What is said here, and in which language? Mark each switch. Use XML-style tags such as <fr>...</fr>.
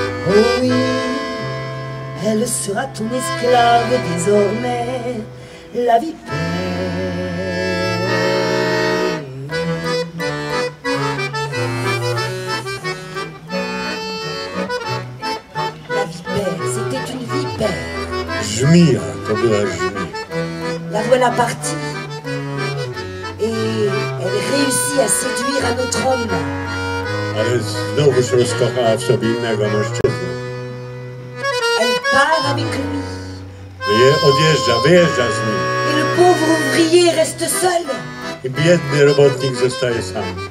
<fr>Oh oui, elle sera ton esclave désormais, la vipère. La vipère, c'était une vipère.</fr> <pl>Jmija, to była jmija.</pl> <fr>La voilà partie. Et elle réussit à séduire un autre homme.</fr> <pl>Ale znowu się rozkochała w sobie innego mężczyznę.</pl> <fr>Elle part avec lui.</fr> <pl>Odjeżdża, wyjeżdża z nim.</pl> <fr>Et le pauvre ouvrier reste seul.</fr> <pl>I biedny robotnik zostaje sam.</pl>